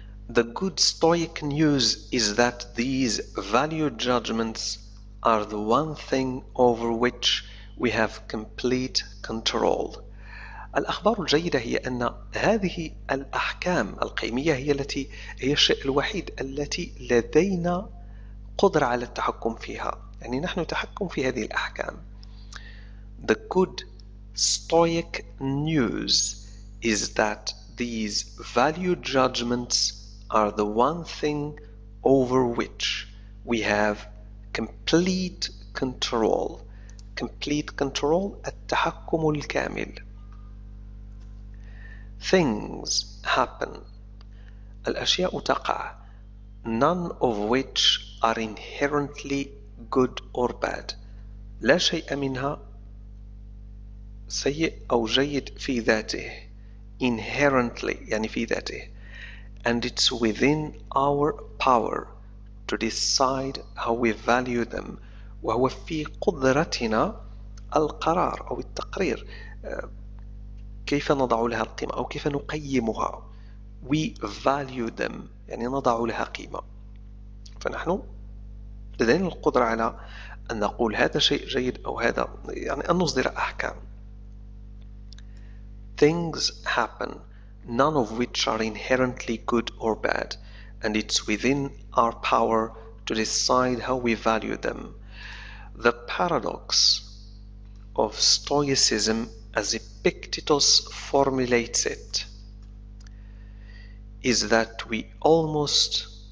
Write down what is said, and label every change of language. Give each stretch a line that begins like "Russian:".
English: The good stoic news is that these value judgments are the one thing over which we have complete control.
Arabic: الأخبار الجيدة هي أن هذه الأحكام القيمية هي التي هي الشيء الوحيد التي لدينا قدرة على التحكم فيها، يعني نحن نتحكم في هذه الأحكام.
English: The good stoic news is that these value judgments are the one thing over which we have complete control. Complete control
Arabic: التحكم الكامل.
English: Things happen.
Arabic: الأشياء تقع.
English: None of which are inherently good or bad.
Arabic: لا شيء منها سيء أو جيد في ذاته. Inherently يعني في ذاته.
English: And it's within our power to decide how we value them.
Arabic: وهو في قدرتنا القرار أو التقرير كيف نضع لها القيمة أو كيف نقيمها.
English: We value them
Arabic: يعني نضع لها قيمة. فنحن لدينا القدرة على أن نقول هذا شيء جيد أو هذا، يعني أن نصدر أحكام.
English: Things happen none of which are inherently good or bad and it's within our power to decide how we value them. The paradox of stoicism as Epictetus formulates it is that we almost